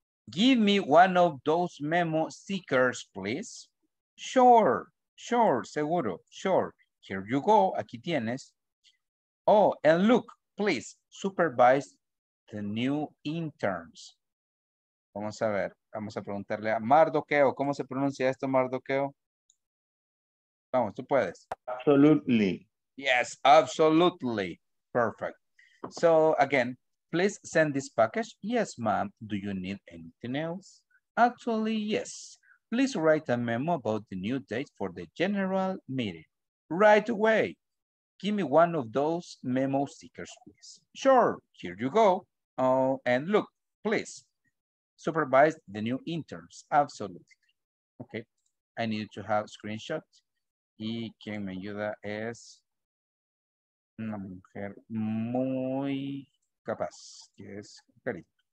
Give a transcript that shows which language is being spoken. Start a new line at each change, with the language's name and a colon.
English: Give me one of those memo stickers, please. Sure,
Spanish: seguro,
English: sure. Here you go,
Spanish: aquí tienes.
English: Oh, and look, please, supervise the new interns.
Spanish: Vamos a ver, vamos a preguntarle a Mardoqueo, ¿cómo se pronuncia esto, Mardoqueo? Vamos, tú puedes.
English: Absolutely. Yes, absolutely. Perfect. So, again, please send this package. Yes, ma'am. Do you need anything else? Actually, yes. Please write a memo about the new date for the general meeting. Right away. Give me one of those memo stickers, please. Sure, here you go. Oh, and look, please supervise the new interns. Absolutely. Okay. I need to have a screenshot.
Spanish: Y quien me ayuda es una mujer muy capaz, que es Carito.